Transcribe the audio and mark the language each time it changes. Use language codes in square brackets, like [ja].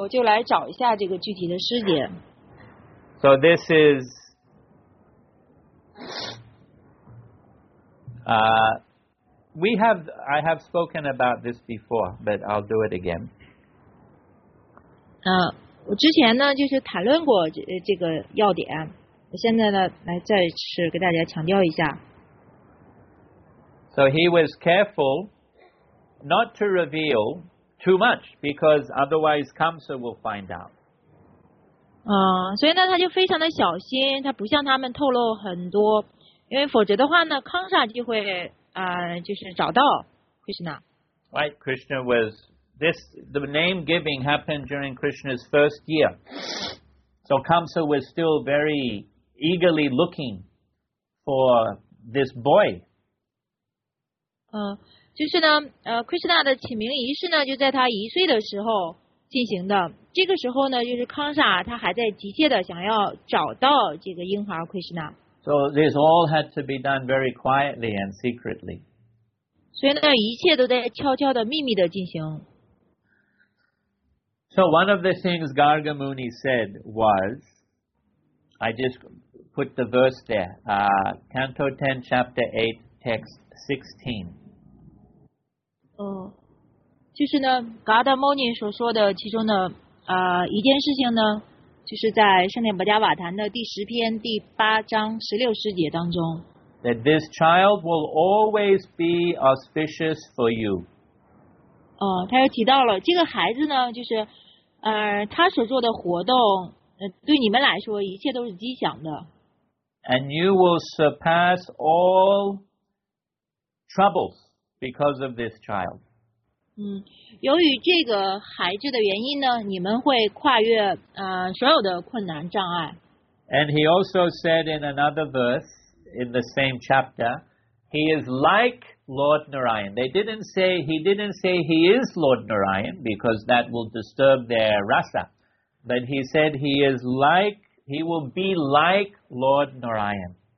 [zh] 我就来找一下这个具体的诗节。 [en] So this is I have spoken about this before, but I'll do it again. [zh] 我之前呢就是谈论过这个要点，现在呢来再次给大家强调一下。 [en] So he was careful not to reveal too much because otherwise Kamsa will find out. [zh] 所以呢他就非常的小心，他不向他们透露很多，因为否则的话呢康萨就会就是找到 Krishna. [en] Right, Krishna was this. The name giving happened during Krishna's first year, so Kamsa was still very eagerly looking for this boy. [zh] 就是呢，Krishna 的起名仪式呢，就在他一岁的时候进行的。这个时候呢，就是康萨他还在急切的想要找到这个婴孩 Krishna。 [en] So this all had to be done very quietly and secretly. [zh] 所以呢，一切都在悄悄的、秘密的进行。 [en] So one of the things Garga Muni said was, I just put the verse there, Canto 10, Chapter 8, Text 16. [zh] 就是呢 ，Garga Muni 所说的其中的一件事情呢。就是在圣殿伯加瓦坛的第十篇第八章十六诗节当中 [en] that this child will always be auspicious for you. [zh] 他又提到了这个孩子呢就是他所做的活动对你们来说一切都是吉祥的 [en] and you will surpass all troubles because of this child. [zh] 由于这个孩子的原因呢，你们会跨越所有的困难障碍。 [en] And he also said in another verse in the same chapter, he is like Lord Narayan. He didn't say he is Lord Narayan because that will disturb their rasa. But he said he is like He will be like Lord Narayan.